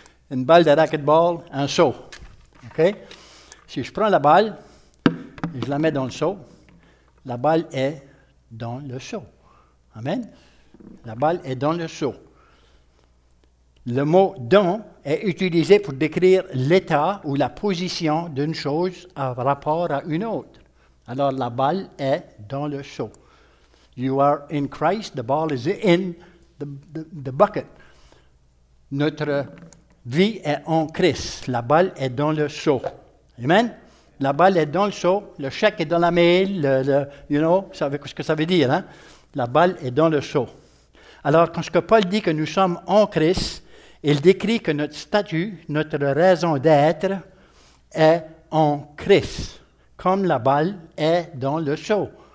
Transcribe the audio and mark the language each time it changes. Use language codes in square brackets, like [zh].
[fr] Une balle de racquetball, un saut. OK? Si je prends la balle et je la mets dans le seau, la balle est dans le seau. Amen. La balle est dans le seau. Le mot « dans » est utilisé pour décrire l'état ou la position d'une chose en rapport à une autre. Alors, la balle est dans le seau. [en] You are in Christ, the ball is in the bucket. [fr] Notre vie est en Christ, la balle est dans le seau. Amen. La balle est dans le seau, le chèque est dans la mail, [en] you know, [fr] vous savez ce que ça veut dire, hein? La balle est dans le seau. Alors, quand ce que Paul dit que nous sommes en Christ, il décrit que notre statut, notre raison d'être est en Christ, comme la balle est dans le seau.